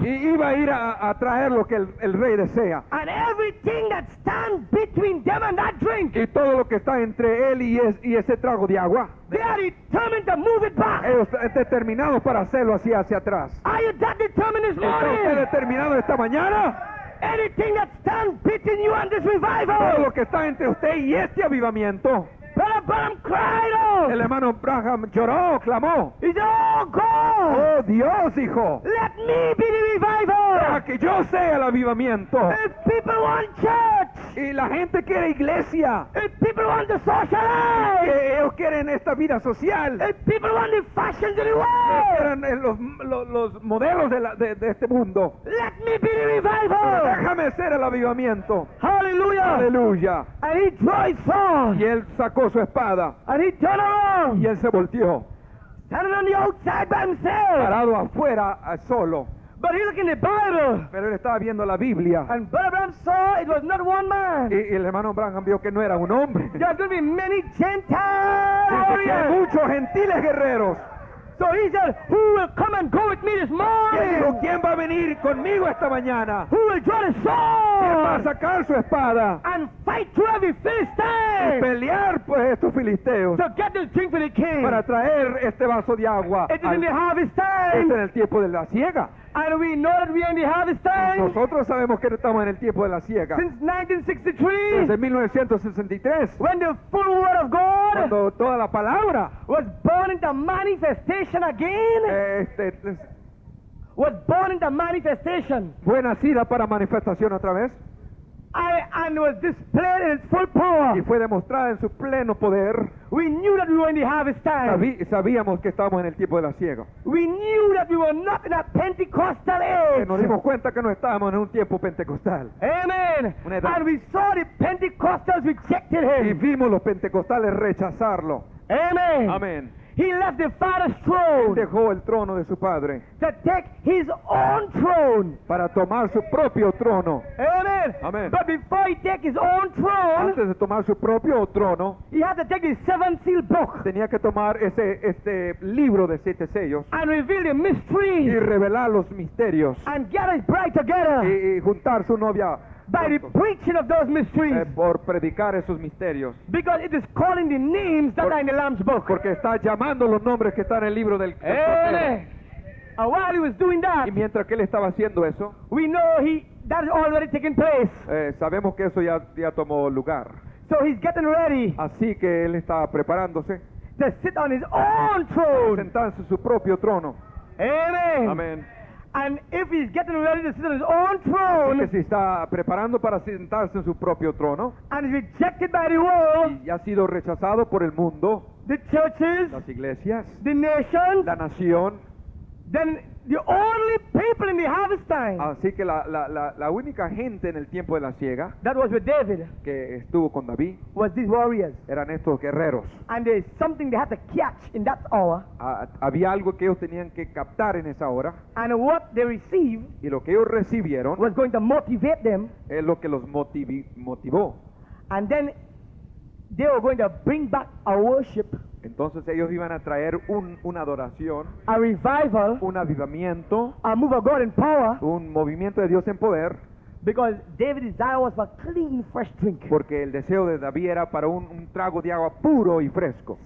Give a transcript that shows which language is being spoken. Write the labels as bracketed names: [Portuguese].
[Spanish] Y iba a ir a traer lo que el rey desea. [English] And everything that stands between them and that drink. [Spanish] Y todo lo que está entre él y ese trago de agua. [English] They are determined to move it back. [Spanish] Ellos están determinados para hacerlo así hacia atrás. [English] Are you that determined this morning? [Spanish] ¿Está usted determinado esta mañana? [English] Anything that stands between you and this revival. [Spanish] Todo lo que está entre usted y este avivamiento. [English] Brother Branham cried out. [Spanish] El hermano Branham lloró, clamó. [English] He said, oh God. [Spanish] Oh Dios, hijo. [English] Let me be the revival. [Spanish] Para que yo sea el avivamiento. [English] If people want church. [Spanish] Y la gente quiere iglesia. [English] If people want the social life. [Spanish] Y ellos quieren esta vida social. [English] If people want the fashion of the world. [Spanish] Y quieren los modelos de este mundo. [English] Let me be the revival. [Spanish] Pero déjame ser el avivamiento. [English] Hallelujah. [Spanish] Aleluya. [English] And he joined forth. [Spanish] Y él sacó su espada. [English] And he turned around. [Spanish] Y él se volteó. [English] Standing on the outside by himself. [Spanish] Parado afuera, solo. [English] But he looked in the Bible. [Spanish] Pero él estaba viendo la Biblia. [English] And Brother Branham saw it was not one man. [Spanish] Y el hermano Branham vio que no era un hombre. [English] There are going to be many Gentiles. [Spanish] Y que hay muchos gentiles guerreros. [English] So he said, who will come and go with me this morning? [Spanish] Y él dijo, ¿quién va a venir conmigo esta mañana? [English] Who will draw the sword? [Spanish] ¿Quién va a sacar su espada? [English] And fight through every Philistine. [Spanish] Y pelear pues estos filisteos. [English] To get this drink for the king. [Spanish] Para traer este vaso de agua. [English] It is in the harvest time. [Spanish] Es en el tiempo de la siega. [English] And we know that we are in the harvest time. [Spanish] Nosotros sabemos que estamos en el tiempo de la siega. [English] Since 1963. [Spanish] Desde 1963. [English] When the full word of God. [Spanish] Cuando toda la palabra. [English] Was born into manifestation again. Was born into manifestation. [Spanish] Fue nacida para manifestación otra vez. [English] And was displayed in its full power. [Spanish] Y fue demostrada en su pleno poder. [English] We knew that we were in the harvest time. [Spanish] Sabíamos que estábamos en el tiempo de la siega. [English] We knew that we were not in a Pentecostal age. [Spanish] Que nos dimos cuenta que no estábamos en un tiempo pentecostal. [English] Amen. And we saw the Pentecostals rejected him. [Spanish] Y vimos los pentecostales rechazarlo. [English] Amen. [Spanish] Amen. [English] He left the father's throne. [Spanish] Él dejó el trono de su padre. [English] To take his own throne. [Spanish] Para tomar su propio trono. [English] Amen. [Spanish] Amen. [English] But before he take his own throne. [Spanish] Antes de tomar su propio trono. [English] He had to take the seven seal book. [Spanish] Tenía que tomar este libro de siete sellos. [English] And reveal the mysteries. [Spanish] Y revelar los misterios. [English] And get his bride together. [Spanish] Y juntar su novia. [English] By the preaching of those mysteries. [Spanish] Por predicar esos misterios. [English] Because it is calling the names that are in the Lamb's book. [Spanish] Porque está llamando los nombres que están en el libro del. [English] And while he was doing that. [Spanish] Y mientras que él estaba haciendo eso. [English] We know that has already taken place. [Spanish] Sabemos que eso ya tomó lugar. [English] So he's getting ready. [Spanish] Así que él está preparándose. [English] To sit on his own throne. [Spanish] Para sentarse en su propio trono. [English] Amen. Amen. And if he's getting ready to sit on his own throne, [Spanish] así que se está preparando para sentarse en su propio trono, [English] and he's rejected by the world, [Spanish] y ha sido rechazado por el mundo, [English] the churches, [Spanish] las iglesias, [English] the nations, [Spanish] la nación, [English] then the only people in the harvest time, [Spanish] así que la única gente en el tiempo de la siega, [English] that was with David, [Spanish] que estuvo con David, [English] was these warriors, [Spanish] eran estos guerreros, [English] and there's something they had to catch in that hour, [Spanish] había algo que ellos tenían que captar en esa hora, [English] and what they received, [Spanish] y lo que ellos recibieron, [English] was going to motivate them, [Spanish] es lo que los motivó, [English] and then they were going to bring back a worship. [Spanish] Entonces ellos iban a traer una adoración, [English] a revival, [Spanish] un avivamiento, [English] a move of God in power, [Spanish] un movimiento de Dios en poder, [English] because David's desire was for clean, fresh drink. [Spanish] Porque el deseo de David era para un trago de agua puro y fresco.